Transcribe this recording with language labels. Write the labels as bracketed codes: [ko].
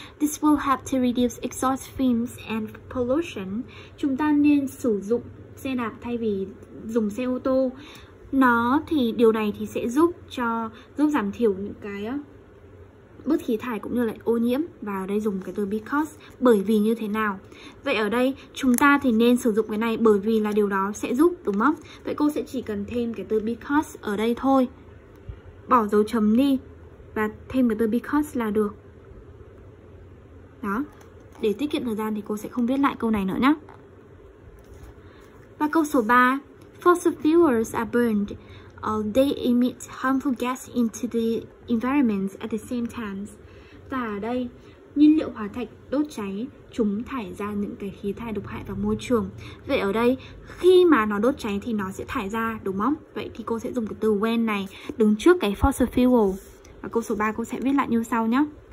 [en] This will help to reduce exhaust fumes and pollution. [vi] Chúng ta nên sử dụng xe đạp thay vì dùng xe ô tô. Nó thì điều này thì sẽ giúp giảm thiểu những cái bớt khí thải cũng như là ô nhiễm. Và ở đây dùng cái từ because, bởi vì như thế nào. Vậy ở đây chúng ta thì nên sử dụng cái này bởi vì là điều đó sẽ giúp, đúng không? Vậy cô sẽ chỉ cần thêm cái từ because ở đây thôi, bỏ dấu chấm đi và thêm cái từ because là được. Đó, để tiết kiệm thời gian thì cô sẽ không viết lại câu này nữa nhé. Và câu số 3, [en] fossil fuels are burned. They emit harmful gas into the environment at the same time. [vi] Và ở đây, nhiên liệu hóa thạch đốt cháy, chúng thải ra những cái khí thải độc hại vào môi trường. Vậy ở đây, khi mà nó đốt cháy thì nó sẽ thải ra, đúng không? Vậy thì cô sẽ dùng cái từ when này đứng trước cái fossil fuel. Và câu số 3 cô sẽ viết lại như sau nhé.